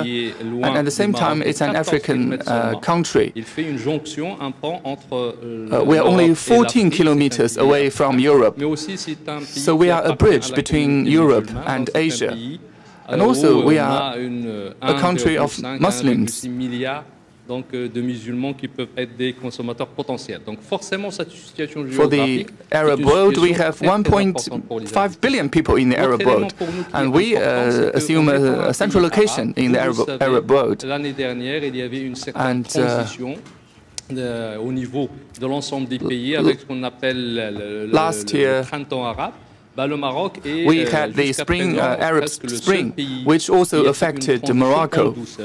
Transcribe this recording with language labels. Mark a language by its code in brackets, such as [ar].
[en] And at the same time, it's an African country. We are only 14 kilometers away from Europe. So we are a bridge between Europe and Asia. And also, we are a country of Muslims. [fr] Donc de musulmans qui peuvent être des consommateurs potentiels. Donc forcément cette situation géographique. [en] For the Arab world, we have 1.5 billion people in the Arab world, and we assume a central location in the Arab world. [fr] L'année dernière, il y avait une certaine transition au niveau de l'ensemble des pays avec ce qu'on appelle le printemps arabe. [en] We had the spring, Arab spring, which also affected Morocco.